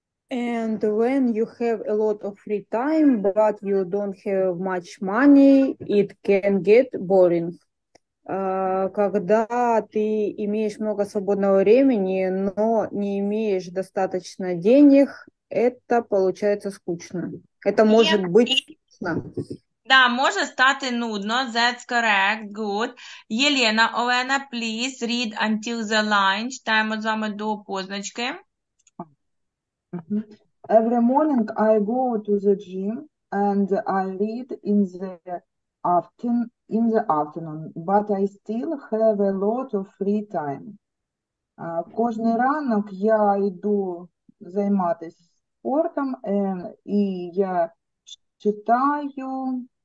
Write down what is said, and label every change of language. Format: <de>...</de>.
<en>And when you have a lot of free time, but you don't have much money, it can get boring.</en> <ru>Когда ты имеешь много свободного времени, но не имеешь достаточно денег, это получается скучно. Это может быть скучно.</ru> <uk>Да, може стати нудно.</uk> <en>That's correct. Good. Єлена, Олена, please read until the line.</en> <uk>Читаємо з вами до позначки.</uk> <en>Every morning I go to the gym and I read in the afternoon, but I still have a lot of free time.</en> <uk>Кожний ранок я йду займатися спортом і я читаю.</uk>